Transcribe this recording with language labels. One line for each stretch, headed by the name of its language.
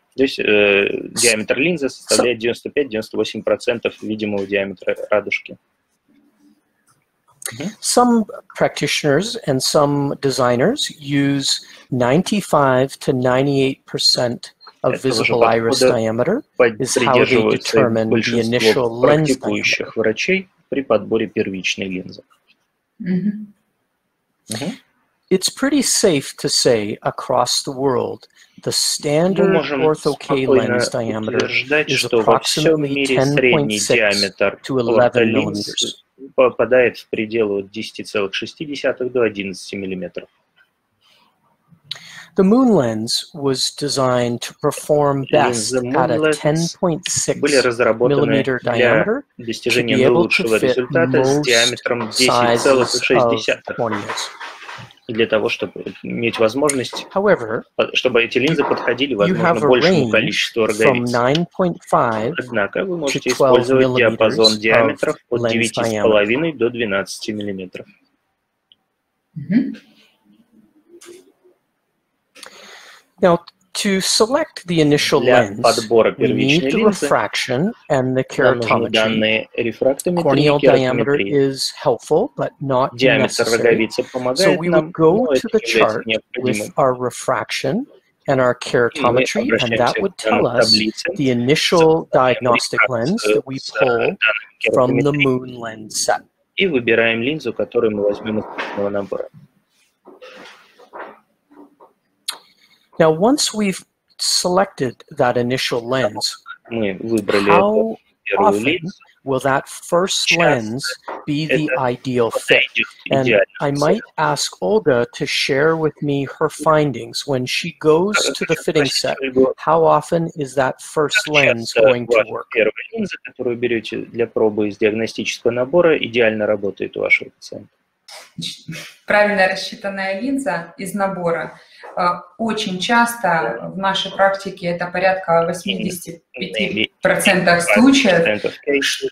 Russian: То есть диаметр линзы составляет 95-98% видимого диаметра радужки.
English: Some practitioners and some designers use 95-98% of visible iris diameter is how they determine the initial lens diameter.
Russian: Практикующих врачей при подборе первичной линзы.
English: It's pretty safe to say across the world the standard ortho-K lens diameter is approximately 10.6 to 11 millimeters.
Russian: Попадает в пределы от 10,6 до 11 миллиметров.
English: The MoonLens was designed to perform best at a 10.6 millimeter diameter
Russian: для достижения наилучшего результата с диаметром 10,6. Для того, чтобы иметь возможность,
English: however,
Russian: чтобы эти линзы подходили, возможно, большему количеству роговиц. Однако вы можете использовать диапазон диаметров от 9,5 до 12 миллиметров.
English: Now, to select the initial lens, we need to refraction and the keratometry. Now, once we've selected that initial lens, how often will that first lens be the ideal fit? And I might ask Olga to share with me her findings. When she goes to the fitting set, how often is that first lens going to work?
Russian: Первая линза, которую берете для пробы из диагностического набора, идеально работает у вашего пациента. Правильно рассчитанная линза из набора. Очень часто в нашей практике это порядка 85% случаев.